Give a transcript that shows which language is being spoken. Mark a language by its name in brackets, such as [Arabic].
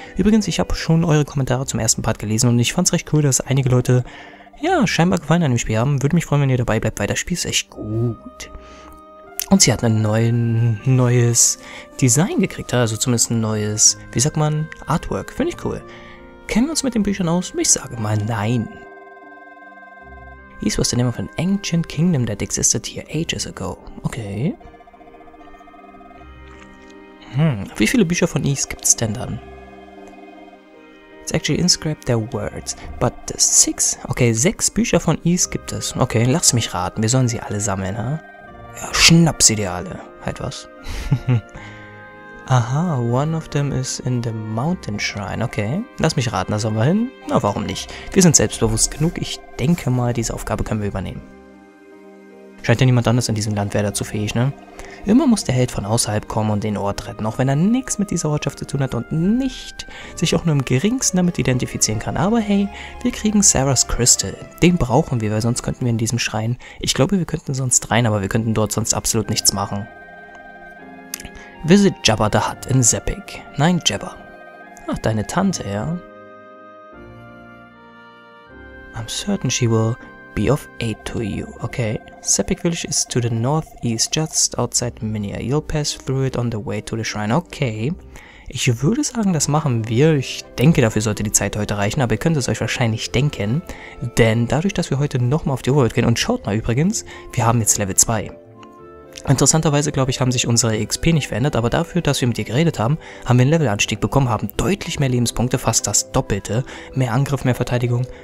[German] Übrigens, ich habe schon eure Kommentare zum ersten Part gelesen und ich fand es recht cool, dass einige Leute, ja, scheinbar Gefallen an dem Spiel haben. Würde mich freuen, wenn ihr dabei bleibt, weil das Spiel ist echt gut. Und sie hat ein neues Design gekriegt, also zumindest ein neues, wie sagt man, Artwork. Finde ich cool. Kennen wir uns mit den Büchern aus? Ich sage mal nein. [English] East was the name of an ancient kingdom that existed here ages ago. Okay. [German] Wie viele Bücher von East gibt's denn dann? [English] It's actually inscribed their words. But the six... [German] Okay, sechs Bücher von East gibt es. Okay, lass mich raten. Wir sollen sie alle sammeln, ha? Huh? Ja, schnapp sie dir alle. Halt was. [English] Aha, one of them is in the mountain shrine. [German] Okay, lass mich raten, da sollen wir hin. Na, warum nicht? Wir sind selbstbewusst genug. Ich denke mal, diese Aufgabe können wir übernehmen. Scheint ja niemand anders in diesem Land wäre dazu fähig, ne? Immer muss der Held von außerhalb kommen und den Ort retten, auch wenn er nichts mit dieser Ortschaft zu tun hat und nicht sich auch nur im geringsten damit identifizieren kann. Aber hey, wir kriegen Sarah's Crystal. Den brauchen wir, weil sonst könnten wir in diesem Schrein... Ich glaube, wir könnten sonst rein, aber wir könnten dort sonst absolut nichts machen. [English] Visit Jabba the Hutt in Zeppig. [German] Nein, Jabba. Ach, deine Tante, ja? [English] I'm certain she will be of aid to you. Okay. Zeppig Village is to the northeast, just outside Minia. You'll pass through it on the way to the shrine. [German] Okay. Ich würde sagen, das machen wir. Ich denke, dafür sollte die Zeit heute reichen, aber ihr könnt es euch wahrscheinlich denken. Denn dadurch, dass wir heute nochmal auf die Overworld gehen, und schaut mal übrigens, wir haben jetzt Level 2. Interessanterweise, glaube ich, haben sich unsere XP nicht verändert, aber dafür, dass wir mit dir geredet haben, haben wir einen Levelanstieg bekommen, haben deutlich mehr Lebenspunkte, fast das Doppelte, mehr Angriff, mehr Verteidigung.